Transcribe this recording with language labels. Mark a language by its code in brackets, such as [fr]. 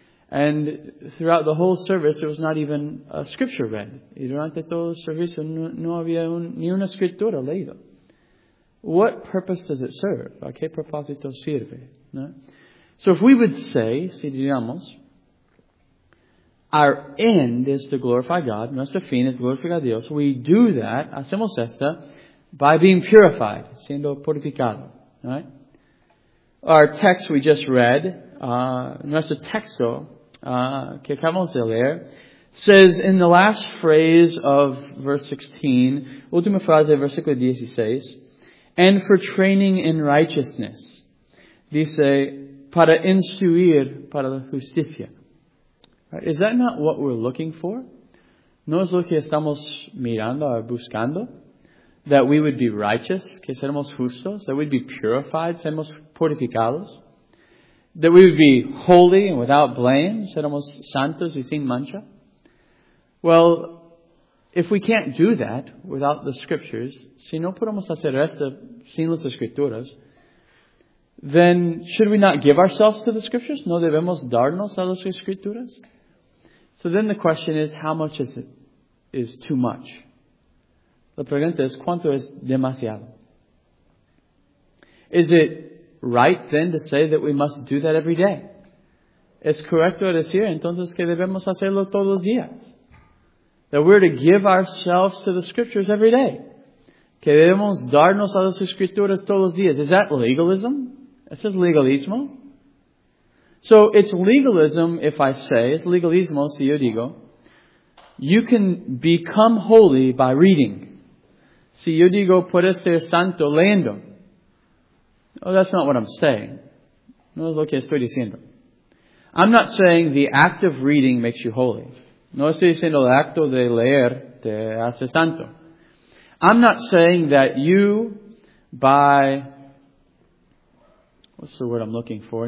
[en] And throughout the whole service, there was not even a scripture read. [es] Y durante todo el servicio, no había ni una escritura leída. [en] What purpose does it serve? [es] ¿A qué propósito sirve? ¿No? [en] So if we would say, [es] si diríamos, [en] our end is to glorify God, [es] nuestro fin es glorificar a Dios, [en] we do that, [es] hacemos esta, [en] by being purified, [es] siendo purificado. [en] Right? Our text we just read, [es] nuestro texto que acabamos de leer, [en] says in the last phrase of verse 16, [es] última frase de versículo 16, [en] and for training in righteousness, [es] dice, para instruir para la justicia. [en] Right? Is that not what we're looking for? [es] ¿No es lo que estamos mirando o buscando? [en] That we would be righteous, [es] que seremos justos, [en] that we'd be purified, [es] seremos purificados, [en] that we would be holy and without blame, [es] seremos santos y sin mancha. [en] Well, if we can't do that without the Scriptures, [es] si no podemos hacer esto sin las Escrituras, [en] then should we not give ourselves to the Scriptures? [es] ¿No debemos darnos a las Escrituras? [en] So then the question is, how much is too much? [es] La pregunta es, ¿cuánto es demasiado? [en] Is it right then to say that we must do that every day? [es] ¿Es correcto decir entonces que debemos hacerlo todos los días? [en] That we're to give ourselves to the Scriptures every day. [es] Que debemos darnos a las Escrituras todos los días. [en] Is that legalism? [es] ¿Es eso legalismo? [en] So it's legalism if I say, it's legalismo [es] si yo digo, [en] you can become holy by reading. [es] Si yo digo, puedes ser santo leyendo. [en] Oh, that's not what I'm saying. [es] No es lo que estoy diciendo. [en] I'm not saying the act of reading makes you holy. [es] No estoy diciendo el acto de leer te hace santo. [en] I'm not saying that you, by, what's the word I'm looking for?